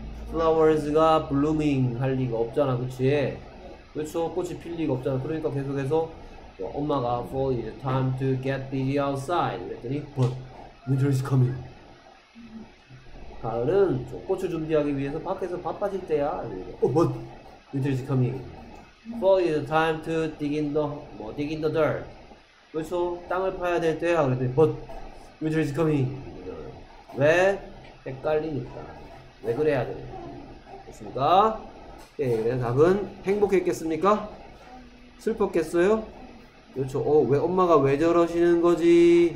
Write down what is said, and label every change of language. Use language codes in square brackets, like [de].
[ko] Flowers가 blooming 할 리가 없잖아, 그렇지? 그렇죠? 꽃이 필 리가 없잖아. [en] 그러니까 계속해서 엄마가 Fall is time to get busy outside 그랬더니, But winter is coming. [ko] 가을은 꽃을 준비하기 위해서 밖에서 바빠질 때야. [en] 오, 뭐? Winter is coming. Fall is time to dig in the dirt. [ko] 그래서 땅을 파야 될 때야. 그랬더니, 뭐? Winter is coming. 왜? 헷갈리니까. 왜 그래야 돼? 그렇습니까? 예, 답은 행복했겠습니까? 슬펐겠어요? 그렇죠. 왜 엄마가 왜 저러시는 거지?